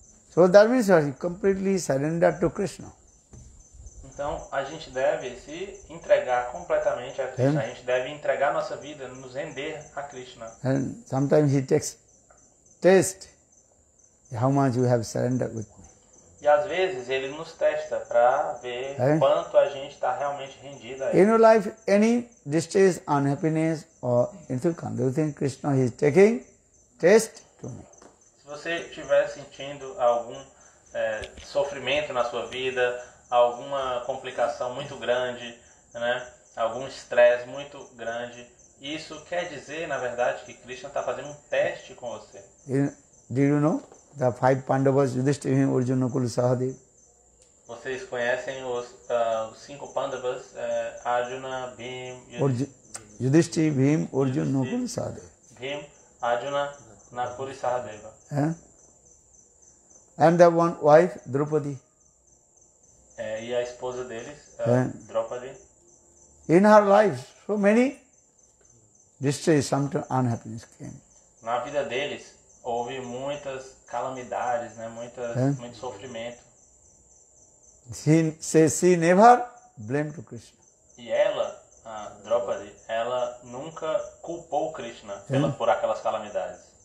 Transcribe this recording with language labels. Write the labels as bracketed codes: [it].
[en] So that means you completely surrender to Krishna. [pt] Então a gente deve se entregar completamente a Krishna. A gente deve entregar nossa vida, nos render a Krishna. [en] And sometimes he takes test how much you have surrendered with me. [pt] E às vezes ele nos testa para ver quanto a gente está realmente rendido a ele. [en] In your life, any distress, unhappiness, or insecurity, do you think Krishna is taking test to me? [pt] Se você estiver sentindo algum sofrimento na sua vida, alguma complicação muito grande, né? Algum estresse muito grande, isso quer dizer, na verdade, que Krishna está fazendo um teste com você. [en] Did you know the five Pandavas, Yudhishthira, Arjuna, Nakula, Sahadeva? [pt] Vocês conhecem os cinco Pandavas, Arjuna, Bhim, Yudhishthira, Bhim, Arjuna, Nakula, Sahadeva? Bhim, Arjuna, Nakula, Sahadeva. [en] And the one wife, Draupadi. [pt] E a esposa deles, Draupadi. [en] In her life, so many distress, sometimes unhappiness came. [pt] Na vida deles, houve muitas calamidades, né? Muito sofrimento. [en] She never blamed to Krishna. [pt] E ela, a Draupadi, ela nunca culpou Krishna por aquelas calamidades.